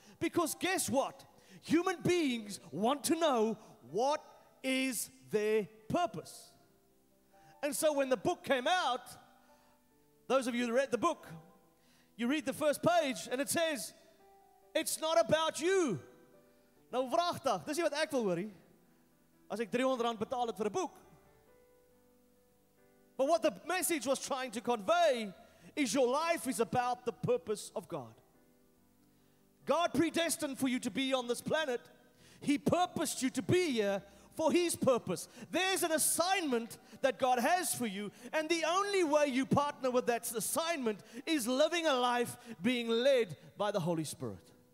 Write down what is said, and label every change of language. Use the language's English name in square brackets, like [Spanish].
[English] Because guess what? Human beings want to know what is their purpose. And so when the book came out, those of you who read the book, you read the first page and it says, it's not about you. [Afrikaans] Nou vraagta, dis nie wat ek wil hoor nie. As ek R300 betaal het vir 'n boek. [English] But what the message was trying to convey is your life is about the purpose of God. God predestined for you to be on this planet. He purposed you to be here for His purpose. There's an assignment that God has for you, and the only way you partner with that assignment is living a life being led by the Holy Spirit.